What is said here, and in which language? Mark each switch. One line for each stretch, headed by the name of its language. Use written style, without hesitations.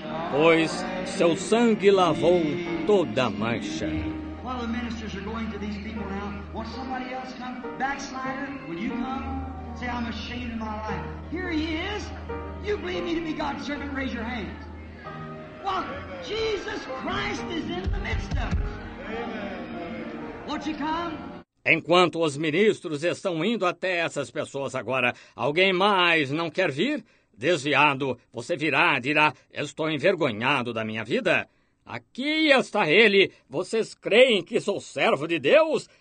Portuguese: Pois seu sangue lavou toda a mancha.
English: While the ministers are going to these people now, won't somebody else come? Backslider, will you come? Say, I'm ashamed of my life. Here he is. You believe me to be God's servant, raise your hands. Well, Jesus Christ is in the midst of us. Won't you come?
Portuguese: Enquanto os ministros estão indo até essas pessoas agora, alguém mais não quer vir? Desviado, você virá e dirá, estou envergonhado da minha vida. Aqui está ele. Vocês creem que sou servo de Deus?